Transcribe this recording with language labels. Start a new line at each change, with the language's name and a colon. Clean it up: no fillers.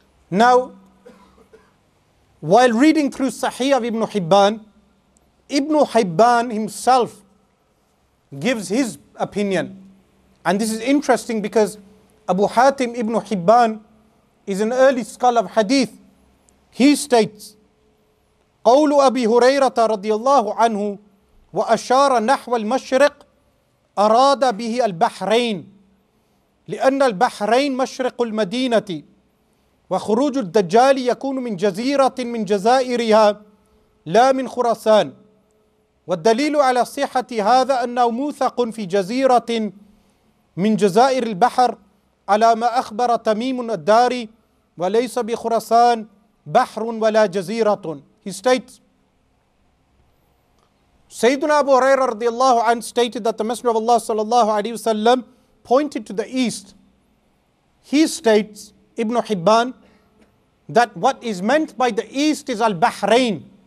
English: Now, while reading through Sahih of Ibn Hibban, Ibn Hibban himself gives his opinion. And this is interesting because Abu Hatim Ibn Hibban is an early scholar of hadith. He states,
Arabic: قَوْلُ أَبِي هُرَيْرَةَ رَضِيَ اللَّهُ عَنْهُ وَأَشَارَ نَحْوَ الْمَشْرِقِ أَرَادَ بِهِ الْبَحْرَيْنِ لِأَنَّ الْبَحْرَيْنِ مَشْرِقُ الْمَدِينَةِ وَخُرُوجُ الدَّجَّالِ يَكُونُ مِنْ جَزِيرَةٍ مِنْ جَزَائِرِهَا لَا مِنْ خُرَسَانِ والدليل على صحة هذا أنه موثق في جزيرة من جزائر البحر على ما أخبر تميم الداري وليس بخرسان بحر ولا جزيرة.
English: He states, Sayyidina Abu Huraira
Arabic: رضي الله عنه
English: stated that the Messenger of Allah
Arabic: صلى الله عليه وسلم
English: pointed to the east. He states, Ibn Hibban, that what is meant by the east is Al-Bahrain.